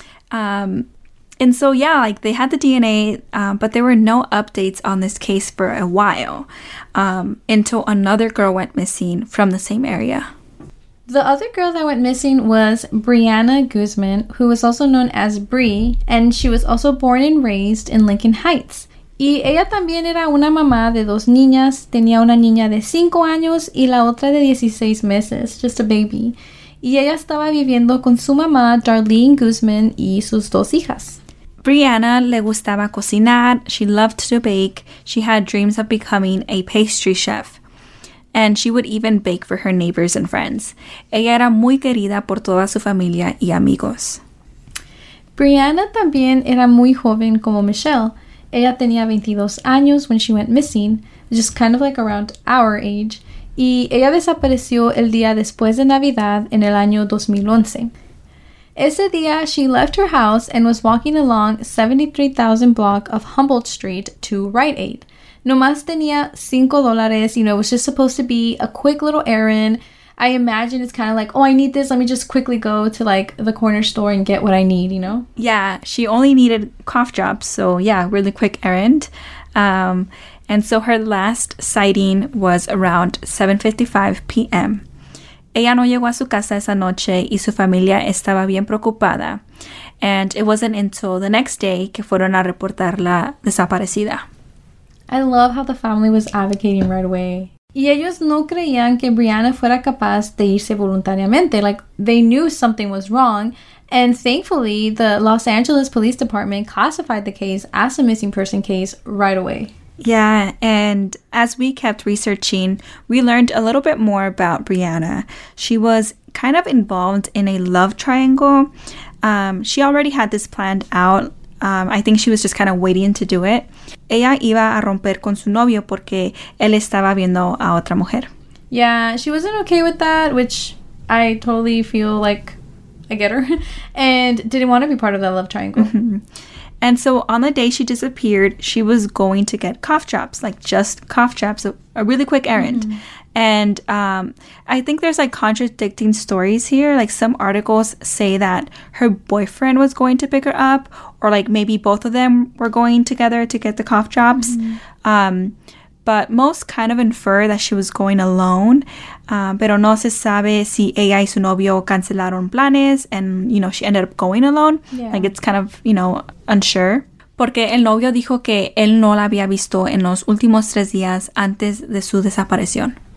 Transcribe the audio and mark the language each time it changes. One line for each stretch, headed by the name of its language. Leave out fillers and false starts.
English: And so, yeah, like, they had the DNA, but there were no updates on this case for a while until another girl went missing from the same area. The other girl that went missing was Brianna Guzman, who was also known as Brie, and she was also born and raised in Lincoln Heights.
Spanish: Y ella también era una mamá de dos niñas, tenía una niña de 5 años y la otra de 16 meses,
English: just a baby.
Spanish: Y ella estaba viviendo con su mamá, Darlene Guzman, y sus dos hijas. Brianna le gustaba cocinar,
English: she loved to bake, she had dreams of becoming a pastry chef. And she would even bake for her neighbors and friends.
Spanish: Ella era muy querida por toda su familia y amigos. Brianna también era muy joven como Michelle. Ella tenía 22 años
English: when she went missing, just kind of like around our age.
Spanish: Y ella desapareció el día después de Navidad en el año 2011. Ese día,
English: she left her house and was walking along 73,000 block of Humboldt Street to Rite Aid.
Spanish: Nomás tenía $5,
English: you know, it was just supposed to be a quick little errand. I imagine it's kind of like, oh, I need this, let me just quickly go to, like, the corner store and get what I need, you know? Yeah, she only needed cough drops, so yeah, really quick errand. And so her last sighting was around 7:55 p.m.
Spanish: Ella no llegó a su casa esa noche y su familia estaba bien preocupada.
English: And it wasn't until the next day
Spanish: que fueron a reportarla desaparecida.
English: I love how the family was advocating right away.
Spanish: Y ellos no creían que Brianna fuera capaz de irse voluntariamente.
English: Like, they knew something was wrong. And thankfully, the Los Angeles Police Department classified the case as a missing person case right away. Yeah, and as we kept researching, we learned a little bit more about Brianna. She was kind of involved in a love triangle. She already had this planned out. I think she was just kind of waiting to do it.
Spanish: Ella iba a romper con su novio porque él estaba viendo a otra mujer.
English: Yeah, she wasn't okay with that, which I totally feel like I get her. And didn't want to be part of that love triangle. Mm-hmm. And so on the day she disappeared, she was going to get cough drops, like just cough drops, a really quick errand. Mm-hmm. And I think there's like contradicting stories here. Like some articles say that her boyfriend was going to pick her up, or like maybe both of them were going together to get the cough drops. Mm-hmm. But most kind of infer that she was going alone.
Spanish: Pero no se sabe si ella y su novio cancelaron planes
English: and, you know, she ended up going alone. Yeah. Like, it's kind of, you know, unsure.
Spanish: Porque el novio dijo que él no la había visto en los últimos 3 días antes de su desaparición.